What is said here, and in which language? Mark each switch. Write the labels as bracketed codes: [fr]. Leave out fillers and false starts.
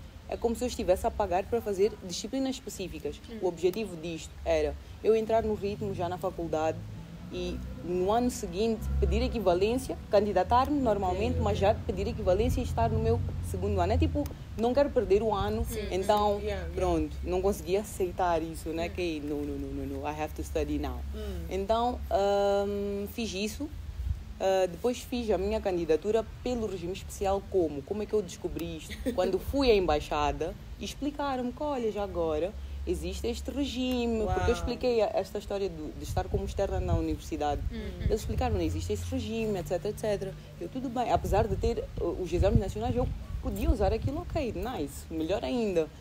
[pt] É como se eu estivesse a pagar para fazer disciplinas específicas. O objetivo disto era eu entrar no ritmo já na faculdade e no ano seguinte pedir equivalência, candidatar-me normalmente, mas já pedir equivalência e estar no meu segundo ano. É tipo, não quero perder o ano, então pronto, não consegui aceitar isso, né? [en] Que não, I have to study now. [pt] Então fiz isso. Depois fiz a minha candidatura pelo regime especial. Como é que eu descobri isto? Quando fui à embaixada, explicaram-me que, olha, já agora existe este regime. Uau. Porque eu expliquei esta história de estar como externa na universidade. Eles explicaram-me, existe este regime, etc, etc. Eu, tudo bem, apesar de ter os exames nacionais, eu podia usar aquilo, ok, nice, melhor ainda.